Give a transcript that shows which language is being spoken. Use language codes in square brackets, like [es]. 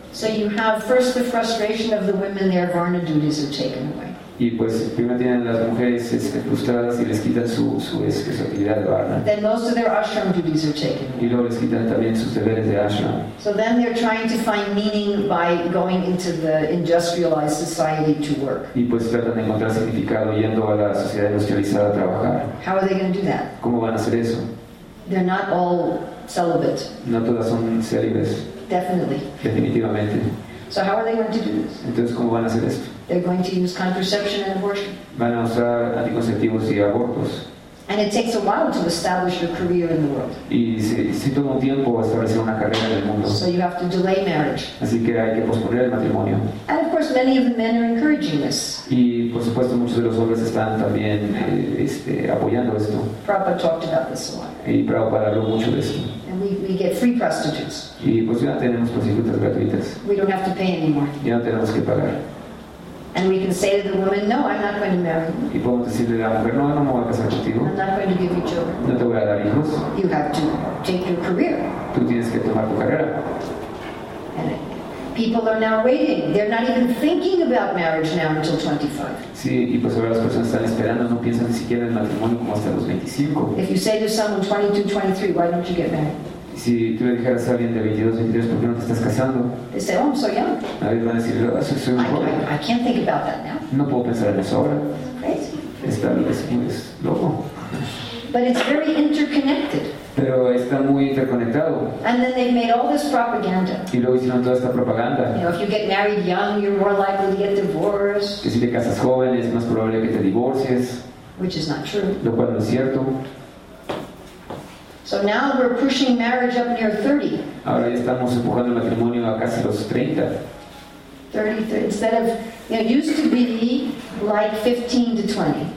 [en] So you have first the frustration of the women; their varna duties are taken away. [es] Y pues primero tienen las mujeres frustradas y les quitan su actividad varna. [en] Then most of their ashram duties are taken away. [es] Y luego les quitan también sus deberes de ashram. [en] So then they're trying to find meaning by going into the industrialized society to work. [es] Y pues tratan de encontrar significado yendo a la sociedad industrializada a trabajar. [en] How are they going to do that? [es] ¿Cómo van a hacer eso? [en] They're not all celibate. [es] No todas son célibes. Definitivamente. [en] So how are they going to do this? [es] Entonces, ¿cómo van a hacer esto? [en] They're going to use contraception and abortion. [es] Van a usar anticonceptivos y abortos. [en] And it takes a while to establish your career in the world. [es] Y si toma un tiempo establecer una carrera en el mundo. [en] So you have to delay marriage. [es] Así que hay que posponer el matrimonio. [en] And of course, many of the men are encouraging this. [es] Y por supuesto, muchos de los hombres están también apoyando esto. [en] Prabhupada talked about this a lot. [es] Y Prabhupada habló mucho de esto. [en] We get free prostitutes. [es] Y pues ya tenemos prostitutas gratuitas. [en] We don't have to pay anymore. [es] Ya no tenemos que pagar. [en] And we can say to the woman, no, I'm not going to marry you. [es] Y podemos decirle a la mujer, no, no me voy a casar contigo. [en] I'm not going to give you children. [es] No te voy a dar hijos. [en] You have to take your career. [es] Tú tienes que tomar tu carrera. [en] People are now waiting. They're not even thinking about marriage now until 25. [es] Sí, y pues ahora las personas están esperando, no piensan ni siquiera en matrimonio como hasta los 25. [en] If you say to someone 22, 23, why don't you get married? [es] si tú le dijeras a alguien de 22, 23, ¿por qué no te estás casando? [en] They say, oh, I'm so young. [es] A ver, van a decir, oh, soy un joven. [en] I can't think about that now. [es] No puedo pensar en eso ahora. Es loco. [en] But it's very interconnected. [es] Pero está muy interconectado. [en] And then they made all this propaganda. [es] Y luego hicieron toda esta propaganda. [en] You know, if you get married young, you're more likely to get divorced. [es] Que si te casas joven, es más probable que te divorcies. [en] Which is not true. [es] Lo cual no es cierto. [en] So now we're pushing marriage up near 30. [es] Ahora ya estamos empujando el matrimonio a casi los 30. [en] 30 instead of, you know, used to be like 15 to 20.